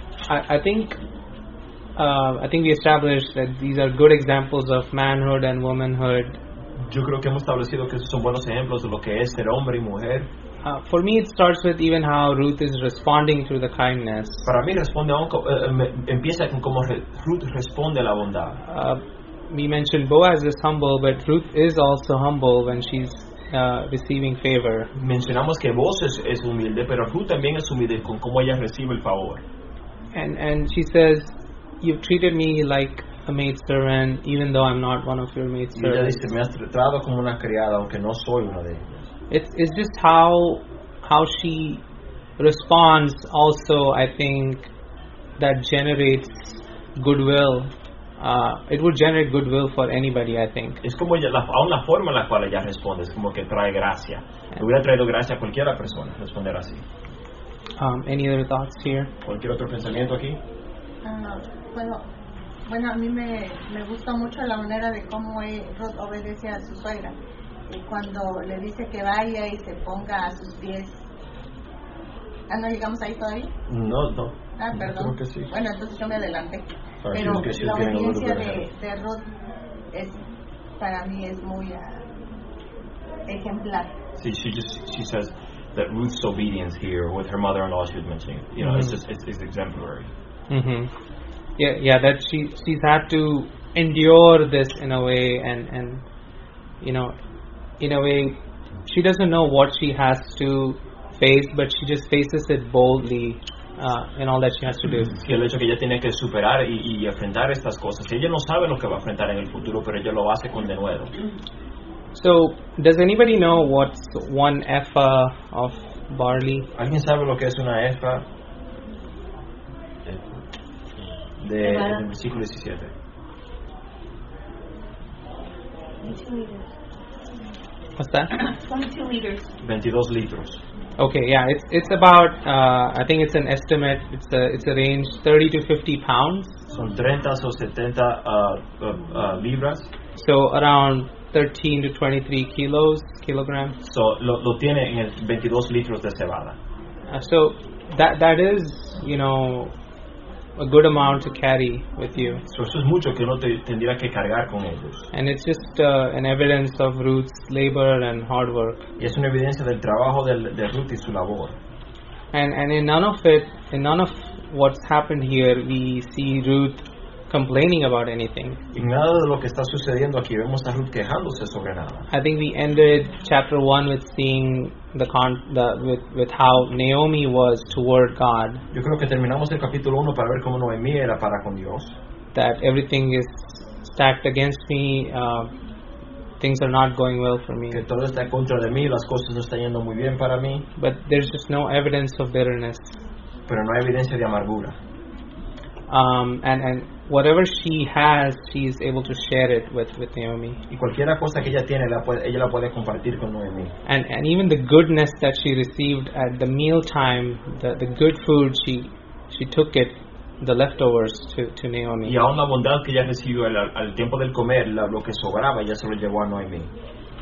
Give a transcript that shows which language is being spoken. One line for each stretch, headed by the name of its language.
English: I think we established that these are good examples of manhood and womanhood.
Spanish: Yo creo que hemos establecido que esos son buenos ejemplos de lo que es ser hombre y mujer.
English: For me, it starts with even how Ruth is responding to the kindness.
Spanish: Para mí, responde a un empieza con cómo Ruth responde a la bondad.
English: We mentioned Boaz is humble, but Ruth is also humble when she's receiving favor.
Spanish: Mencionamos que Boaz es humilde, pero Ruth también es humilde con cómo ella recibe el favor.
English: And she says, "You've treated me like a maidservant, even though I'm not one of your maidservants."
Spanish: Y ella dice, "Me has tratado como una criada, aunque no soy una de ellas."
English: It's just how she responds also, I think, that generates goodwill. It would generate goodwill for anybody, I think.
Spanish: Es como la forma en la cual ella responde, es como que trae gracia. Yeah. Hubiera traído gracia a cualquiera persona, responder así. Any other thoughts here? ¿Cualquier otro pensamiento aquí? Bueno, a mí me gusta mucho la manera de cómo Ruth obedece a su suegra. Y cuando le dice que vaya y se ponga a sus pies. ¿Ah, no llegamos ahí todavía? No. Ah, perdón. Creo que sí. Bueno, entonces yo me adelanté.
English: Sorry,
Spanish: pero que sí, la obediencia de Ruth es, para mí, es muy ejemplar.
English: Sí, she says that Ruth's obedience here with her mother-in-law, she was mentioning, you know, it's exemplary. Mm-hmm. Yeah, that she's had to endure this in a way, and you know, in a way, she doesn't know what she has to face, but she just faces it boldly in all that she has to do.
Spanish: Sí, el hecho que ella tiene que superar y enfrentar estas cosas. Ella no sabe lo que va a enfrentar en el futuro, pero ella lo hace con denuedo.
English: So, does anybody know what's one epha of barley?
Spanish: ¿Alguien sabe lo que es una epha? De versículo 17.
English: What's that? 22 liters. 22 liters. Okay, yeah, it's about I think it's an estimate. It's a range 30 to 50 pounds.
Spanish: Son 30 o 70 libras.
English: So around 13 to 23 kilograms.
Spanish: So lo tiene en 22 liters de cebada.
English: So that is, you know, a good amount to carry with you.
Spanish: So eso es mucho que uno tendría que cargar con ellos.
English: And it's just an evidence of Ruth's labor and hard work.
Spanish: Y es una evidencia del trabajo de Ruth y su labor.
English: And in none of what's happened here, we see Ruth complaining about anything.
Spanish: Y nada de lo que está sucediendo aquí vemos a Ruth quejándose sobre nada.
English: I think we ended chapter 1 with seeing with how Naomi was toward God.
Spanish: Yo creo que terminamos el capítulo 1 para ver cómo Noemí era para con Dios.
English: That everything is stacked against me, things are not going well for me.
Spanish: Que todo está en contra de mí, las cosas no están yendo muy bien para mí.
English: But there's just no evidence of bitterness.
Spanish: Pero no hay evidencia de amargura.
English: And whatever she has, she is able to share it with Naomi.
Spanish: Y cualquier cosa que ella tiene, ella la puede compartir con Noemi.
English: And even the goodness that she received at the meal time, the good food, she took it, the leftovers to Naomi.
Spanish: Y aún la bondad que ella recibió al tiempo del comer, lo que sobraba, ella se lo llevó a Noemi.